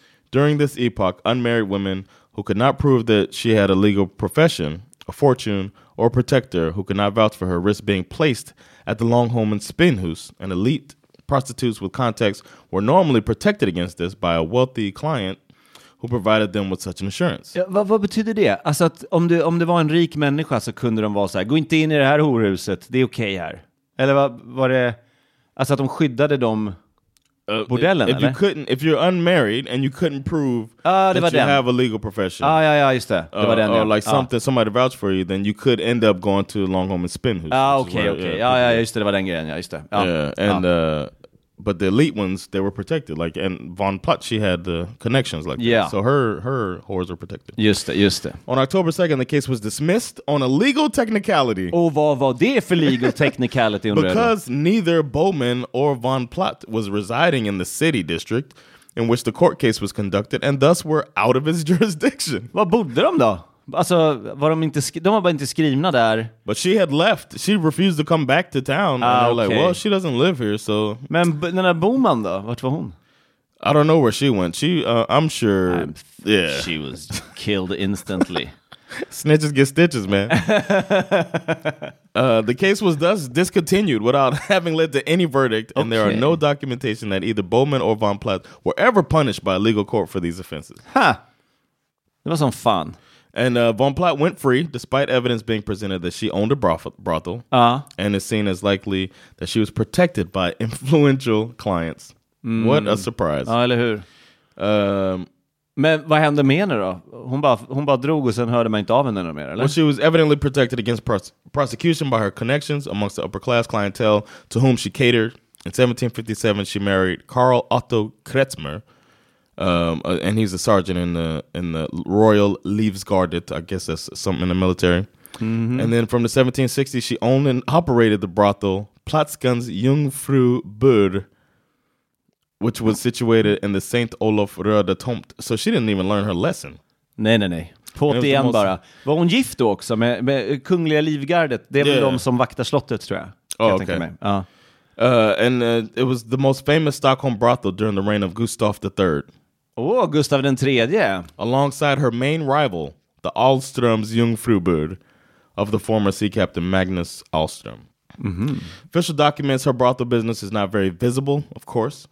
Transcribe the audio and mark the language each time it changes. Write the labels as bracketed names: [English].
[English] During this epoch, unmarried women who could not prove that she had a legal profession, a fortune, or a protector who could not vouch for her risked being placed at the Longholm and Spinhus, an elite prostitutes with contacts were normally protected against this by a wealthy client who provided them with such an assurance. [Swedish] Ja, vad betyder det? Alltså att om det var en rik människa så kunde de vara så här, gå inte in i det här horhuset, det är okej här. Eller var det, alltså att de skyddade dem bordellen, [English] if [Swedish] eller? [English] You couldn't, if you're unmarried and you couldn't prove [Swedish] det [English] that you [Swedish] den. [English] Have a legal profession. [Swedish] Ah, ja, ja, just det. Det var den. [English] Or like something, somebody vouched for you, then you could end up going to Longholm and Spinhus. [Swedish] Ah, okej, okej. Okay, okay. Ja, ja, just det var den grejen, ja, just det. Ja. [English] Yeah, and... But the elite ones, they were protected. Like, and Von Platt, she had the connections like yeah. that. So her whores were protected. [Swedish] Just det, just det. [English] On October 2nd, the case was dismissed on a legal technicality. [Swedish] Och vad var det för [English] legal technicality? Because neither Bowman or Von Platt was residing in the city district in which the court case was conducted and thus were out of his jurisdiction. [Swedish] Vad bodde de då? Alltså, var de var bara inte skrivna där. [English] But she had left. She refused to come back to town. Ah, and they're okay. like, well, she doesn't live here, so... [Swedish] Men den där Boman då? Vart var hon? [English] I don't know where she went. She, I'm sure... Yeah. She was killed instantly. Snitches get stitches, man. the case was thus discontinued without having led to any verdict, okay. and there are no documentation that either Bowman or Von Platt were ever punished by a legal court for these offenses. Huh. It was some fun. And Von Platt went free, despite evidence being presented that she owned a brothel and is seen as likely that she was protected by influential clients. Mm. What a surprise. [Swedish] Ja, eller hur? Men vad hände med henne då? Hon bara drog och sen hörde man inte av henne mer, eller? [English] Well, she was evidently protected against prosecution by her connections amongst the upper-class clientele to whom she catered. In 1757, she married Carl Otto Kretzmer. And he's a sergeant in the Royal Livgardet, I guess that's something in the military. Mm-hmm. And then from the 1760s, she owned and operated the brothel Platskans Jungfru Bur, which was situated in the St. Olof Röda Tomt. So she didn't even learn her lesson. [Swedish] Nej, nej, nej. På det igen bara. Var hon gift då också med Kungliga Livgardet? Det är väl de som vaktar slottet, tror jag. [English] Oh, okay. It was the most famous Stockholm brothel during the reign of Gustav III. [Swedish] Oh, Gustav den tredje. [English] Alongside her main rival, the Alströms Jungfrubud of the former sea captain Magnus Alström. Mm-hmm. Official documents, her brothel business is not very visible, of course.